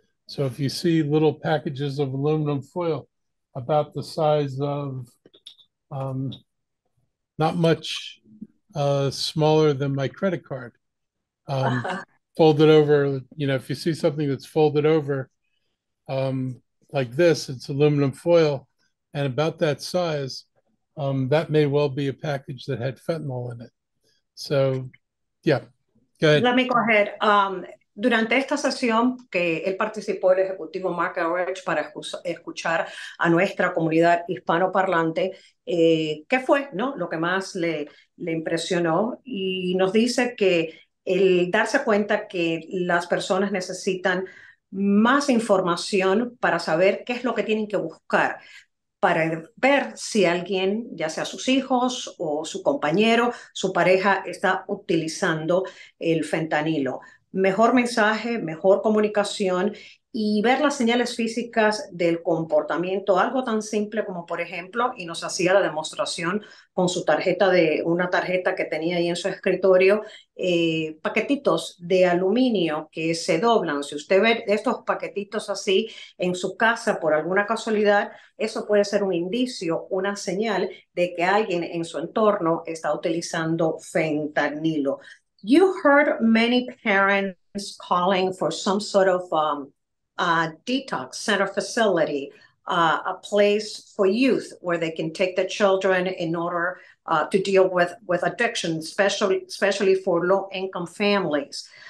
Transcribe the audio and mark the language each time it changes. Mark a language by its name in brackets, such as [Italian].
[English] So if you see little packages of aluminum foil about the size of not much smaller than my credit card, folded over, you know, if you see something that's folded over like this, it's aluminum foil, and about that size, that may well be a package that had fentanyl in it. So, yeah. Let me go ahead. [Spanish] Durante esta sesión que él participó, el ejecutivo Marc Elrich, para escuchar a nuestra comunidad hispanoparlante, ¿qué fue, no? Lo que más le impresionó, y nos dice que el darse cuenta que las personas necesitan más información para saber qué es lo que tienen que buscar, para ver si alguien, ya sea sus hijos o su compañero, su pareja, está utilizando el fentanilo. Mejor mensaje, mejor comunicación y ver las señales físicas del comportamiento. Algo tan simple como, por ejemplo, y nos hacía la demostración con su tarjeta de una tarjeta que tenía ahí en su escritorio, paquetitos de aluminio que se doblan. Si usted ve estos paquetitos así en su casa por alguna casualidad, eso puede ser un indicio, una señal de que alguien en su entorno está utilizando fentanilo. [English] You heard many parents calling for some sort of detox center facility, a place for youth where they can take the children in order to deal with addiction, especially for low-income families.